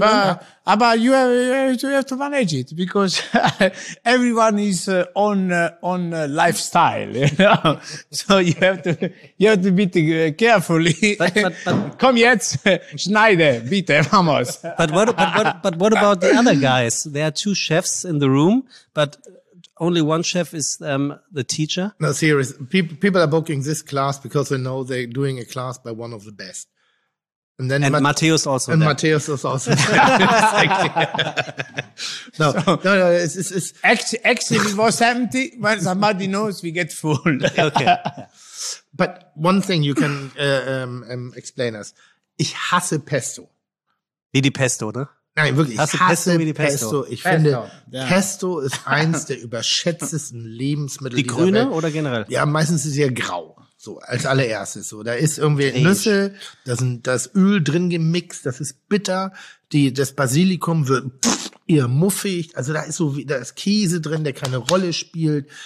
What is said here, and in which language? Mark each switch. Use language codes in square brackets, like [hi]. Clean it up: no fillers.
[en] But you have to manage it, because everyone is on lifestyle, you know? So you have to be carefully. [de] But komm jetzt, schneide, bitte, vamos. [en] But what about the other guys? There are two chefs in the room, but only one chef is the teacher. No, serious. People are booking this class because they know they're doing a class by one of the best. And then Matthäus also. And Matthäus is also. No. It's actually it was empty. When somebody knows, we get full. Okay. But one thing you can explain us. [de] Ich hasse Pesto. Wie die Pesto, ne? Nein, wirklich. Ich hasse Pesto. Ich finde, Pesto ist eins der überschätztesten Lebensmittel. Die grüne Welt. Oder generell? Ja, meistens ist sie ja grau. So, als allererstes, so. Da ist irgendwie Nüsse, da ist Öl drin gemixt, das ist bitter, das Basilikum wird eher muffig, also da ist Käse drin, der keine Rolle spielt.